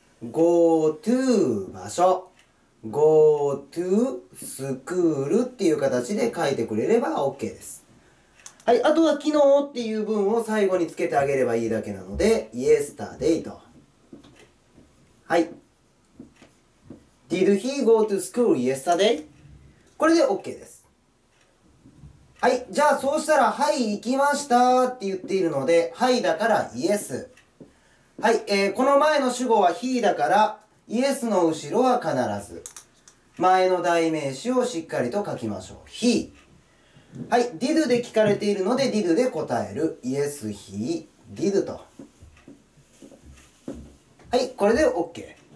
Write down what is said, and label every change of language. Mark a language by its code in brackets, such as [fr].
[ja] go to 場所、go to スクールっていう形で書いてくれれば OK です。はい、あとは昨日っていう文を最後につけてあげればいいだけなので、yesterday と。はい。 [en] Did he go to school yesterday？ [ja] これで OK です。はい、じゃあそうしたら、はい、行きましたって言っているので、はいだから yes。はい、この前の主語は he だから yes の後ろは必ず前の代名詞をしっかりと書きましょう。 [en] he。 [ja] はい、did で聞かれているので、 did で答える。 yes, he, did と。はい、これで OK。